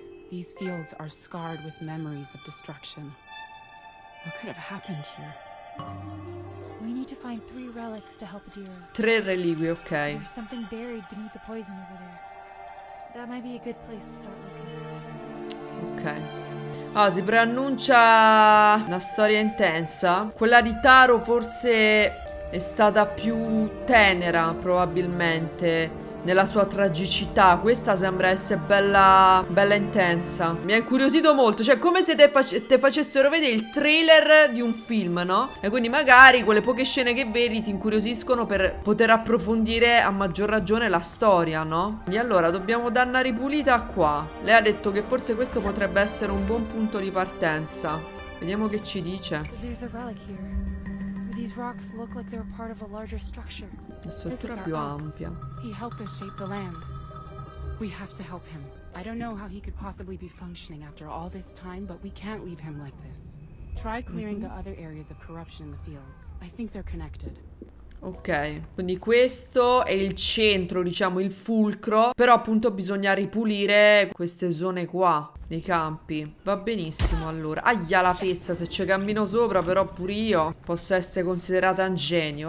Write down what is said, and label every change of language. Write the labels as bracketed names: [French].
[English] These fields are scarred with memories of destruction. What could have happened here? We need to find three relics to help Adira. [Italian] Tre reliquie, ok. [English] There's something buried beneath the poison over there. That might be a good place to start looking. [Italian] Ok. Ah, si preannuncia una storia intensa. Quella di Taro forse è stata più tenera, probabilmente. nella sua tragicità. Questa sembra essere bella, bella intensa. Mi ha incuriosito molto. Cioè, come se te facessero vedere il trailer di un film, no? E quindi magari quelle poche scene che vedi ti incuriosiscono per poter approfondire a maggior ragione la storia, no? E allora, dobbiamo dare una ripulita qua. Lei ha detto che forse questo potrebbe essere un buon punto di partenza. Vediamo che ci dice. These rocks look like they were part of a larger structure. La struttura più ampia. [English] He helped us shape the land. We have to help him. I don't know how he could possibly be functioning after all this time, but we can't leave him like this. Try clearing the other areas of corruption in the fields. I think they're connected. [Italian] Ok, quindi questo è il centro, diciamo, il fulcro. Però appunto bisogna ripulire queste zone qua, nei campi. Va benissimo allora. Aia la fessa, se ci cammino sopra però pure io posso essere considerata un genio.